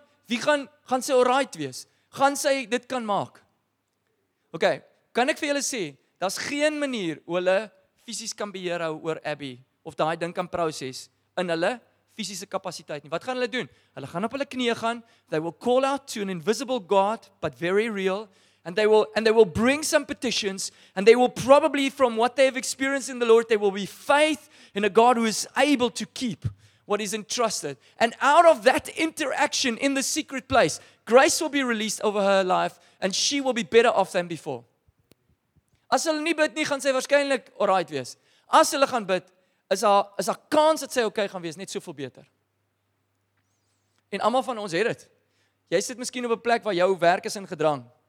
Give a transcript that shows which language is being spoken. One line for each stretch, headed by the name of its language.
Afrikaans: Wie gaan sy alright wees? Gaan sy dit kan maak? Okay, kan ek vir julle sê, daar's geen manier hoe hulle fisies kan beheer hou oor Abby of daai ding kan proses in hulle fisiese kapasiteit nie. Wat gaan hulle doen? Hulle gaan op hulle knieë gaan.
English: They will call out to an invisible God, but very real. And they will bring some petitions, and they will probably, from what they have experienced in the Lord, there will be faith in a God who is able to keep what is entrusted. And out of that interaction in the secret place, grace will be released over her life, and she will be better off than before.
Afrikaans: As hulle nie bid nie, gaan sy waarskynlik alright wees. As hulle gaan bid, is haar kans dat sy okay gaan wees, net soveel beter. En almal van ons het dit. Jy sit miskien op 'n plek waar jou werk is in gedrang.